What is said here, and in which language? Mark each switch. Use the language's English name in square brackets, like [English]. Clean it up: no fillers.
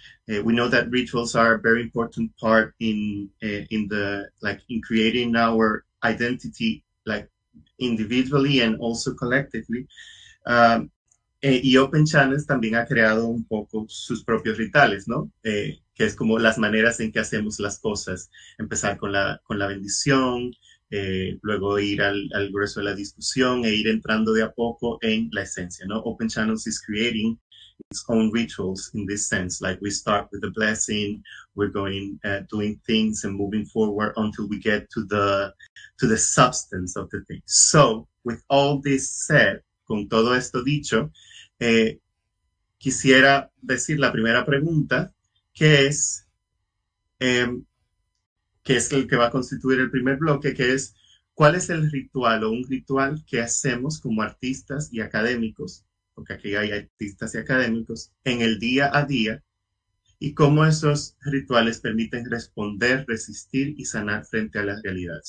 [English] We know that rituals are a very important part in creating our identity, like individually and also collectively. [Spanish] Y Open Channels también ha creado un poco sus propios rituales, ¿no? Que es como las maneras en que hacemos las cosas. Empezar con la bendición, luego ir al grueso de la discusión e ir entrando de a poco en la esencia, ¿no? [English] Open Channels is creating its own rituals in this sense. Like we start with the blessing, we're going doing things and moving forward until we get to the substance of the thing. So, with all this said, [Spanish] con todo esto dicho, quisiera decir la primera pregunta, que es el que va a constituir el primer bloque, que es, ¿cuál es el ritual o un ritual que hacemos como artistas y académicos, porque aquí hay artistas y académicos, en el día a día, y cómo esos rituales permiten responder, resistir y sanar frente a la realidad?